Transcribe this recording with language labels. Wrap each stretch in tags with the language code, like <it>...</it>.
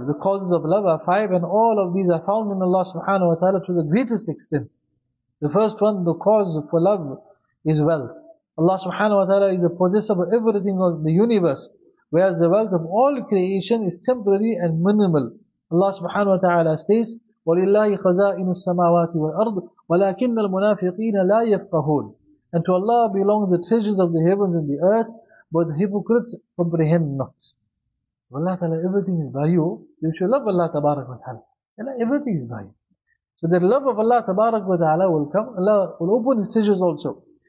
<en>The causes of love are five. And all of these are found in Allah Subhanahu Wa Ta'ala to the greatest extent. The first one, the cause for love is wealth. Allah Subhanahu Wa Ta'ala is the possessor of everything of the universe. Whereas the wealth of all creation is temporary and minimal. Allah Subhanahu Wa Ta'ala says,</en> <ar>وَلِلَّهِ خَزَائِنُ السَّمَاوَاتِ وَالْأَرْضِ وَلَكِنَّ الْمُنَافِقِينَ لَا يَفْقَهُونَ.</ar> <en>And to Allah belongs the treasures of the heavens and the earth, but the hypocrites comprehend not. So Allah Ta'ala, everything is by you. You should love Allah Tabarak wa Ta'ala. Allah, everything is by you. So the love of Allah Tabarak wa Ta'ala will come. Allah will open His treasures also.</en>